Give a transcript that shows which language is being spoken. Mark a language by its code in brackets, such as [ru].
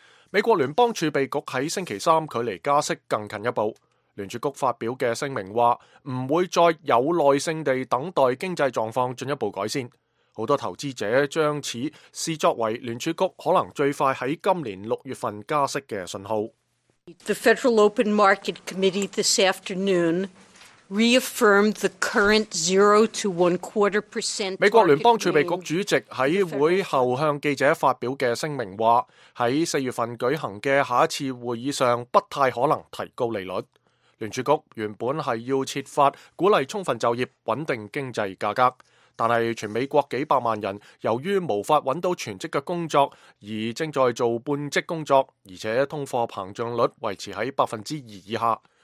[zh] 美国联邦储备局在星期三距离加息更近一步。联储局发表的声明说，不会再有耐性地等待经济状况进一步改善。很多投资者将此视作为联储局可能最快在今年六月份加息的信号。 [en] The Federal Open Market Committee this afternoon reaffirmed the current 0 to 1/4%. [zh] 美国联邦储备局主席在会后向记者发表的声明说，在四月份举行的下一次会议上不太可能提高利率。联储局原本是要设法鼓励充分就业，稳定经济价格，但是全美国几百万人由于无法找到全职的工作而正在做半职工作，而且通货膨胀率维持在2%以下。